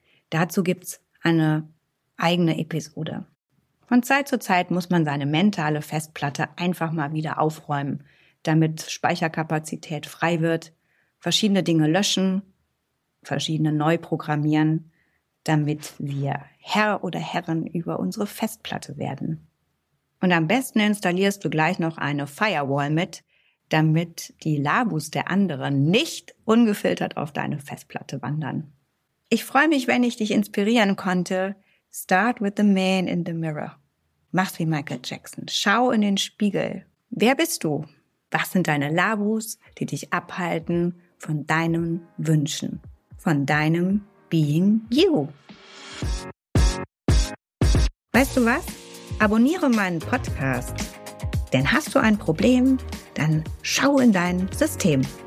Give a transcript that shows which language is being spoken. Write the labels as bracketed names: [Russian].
[German] Dazu gibt's eine eigene Episode. Von Zeit zu Zeit muss man seine mentale Festplatte einfach mal wieder aufräumen, damit Speicherkapazität frei wird, verschiedene Dinge löschen, verschiedene neu programmieren, damit wir Herr oder Herrin über unsere Festplatte werden. Und am besten installierst du gleich noch eine Firewall mit, damit die Labus der anderen nicht ungefiltert auf deine Festplatte wandern. Ich freue mich, wenn ich dich inspirieren konnte. [English] Start with the man in the mirror. [German] Mach's wie Michael Jackson. Schau in den Spiegel. Wer bist du? Was sind deine Labus, die dich abhalten von deinen Wünschen? Von deinem Being You. Weißt du was? Abonniere meinen Podcast. Denn hast du ein Problem, dann schau in dein System.